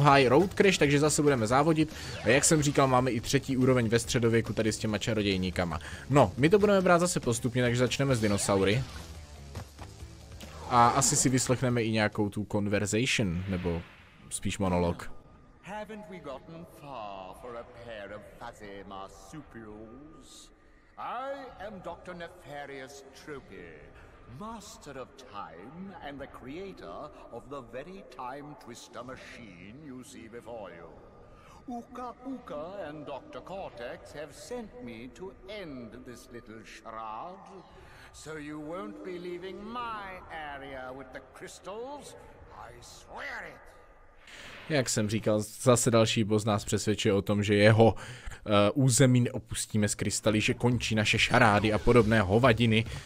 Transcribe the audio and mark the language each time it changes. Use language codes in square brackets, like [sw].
[cs] High Road Crash, takže zase budeme závodit. A jak jsem říkal, máme i třetí úroveň ve středověku tady s těma čarodějníkama. No, my to budeme brát zase postupně, takže začneme s dinosaury. A asi si vyslechneme i nějakou tu conversation, nebo spíš monolog. [en] Haven't we gotten far for a pair of fuzzy marsupials? I am Dr. Nefarious Tropy, master of time and the creator of the very time twister machine you see before you. Uka Uka and Dr. Cortex have sent me to end this little shroud, so you won't be leaving my area with the crystals, I swear it. [cs] Jak jsem říkal, zase další boss nás přesvědčuje o tom, že jeho území neopustíme z krystaly, že končí naše šarády a podobné hovadiny.